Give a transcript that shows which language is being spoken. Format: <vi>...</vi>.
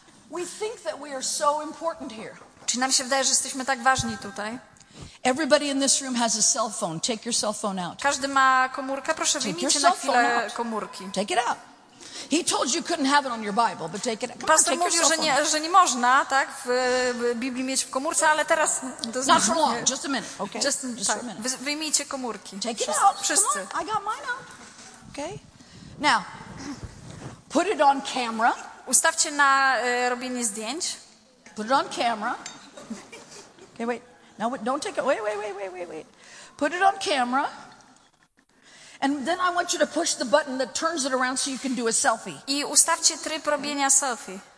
<en>We think that we are so important here.</en> <pl>Czy nam się wydaje, że jesteśmy tak ważni tutaj?</pl> <en>Everybody in this room has a cell phone. Take your cell phone out.</en> <pl>Każdy ma komórkę. Proszę wyjmijcie na chwilę komórki.</pl> <en>Take it out. He told you couldn't have it on your Bible, but take it out.</en> <pl>Pastor mówił, że nie można, tak, w Biblii mieć w komórce, ale teraz to znaczy.</pl> <en>Not for long. Just a minute. Okay. Just a minute.</en> <pl>Wyjmijcie komórki.</pl> <en>Take it out.</en> <pl>Wszyscy.</pl> <en>Come on. I got mine out. Okay. Now, put it on camera.</en> <pl>Ustawcie na robienie zdjęć.</pl> <en>Put it on camera. Okay, wait. Now, don't take it. Wait. Put it on camera. And then I want you to push the button that turns it around so you can do a selfie.</en> <pl>I ustawcie tryb robienia selfie.</pl>